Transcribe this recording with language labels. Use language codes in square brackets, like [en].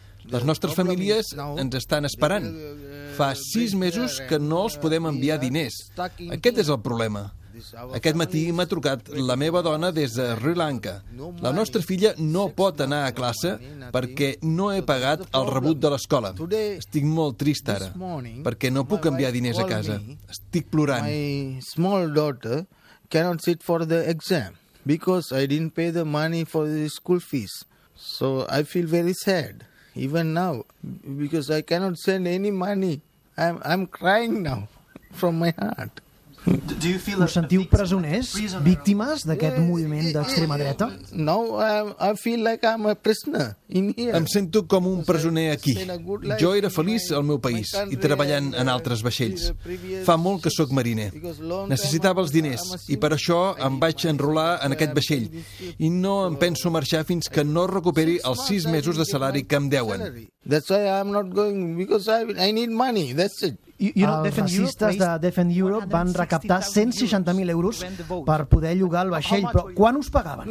[ca] Les nostres famílies ens estan esperant. Fa 6 mesos que no els podem enviar diners. Aquest és el problema. Aquest matí m'ha trucat la meva dona des de Sri Lanka. La nostra filla no pot anar a classe perquè no he pagat el rebut de l'escola. Estic molt trist ara, perquè no puc enviar diners a casa. Estic plorant. [en] My small daughter cannot sit for the exam. Because I didn't pay the money for the school fees. So I feel very sad, even now, because I cannot send any money. I'm crying now from my heart. Do you feel [ca] us sentiu presoners, víctimes d'aquest moviment d'extrema dreta? [en] No, I feel like I'm a prisoner in here. [ca] Em sento com un presoner aquí. Jo era feliç al meu país i treballant en altres vaixells. Fa molt que sóc mariner. Necessitava els diners i per això em vaig enrolar en aquest vaixell i no em penso marxar fins que no recuperi els 6 mesos de salari que em deuen. [en] That's why I'm not going, because I need money, that's it. [ca] Els racistes de Defend Europe van recaptar 160.000 euros per poder llogar el vaixell, però quan us pagaven?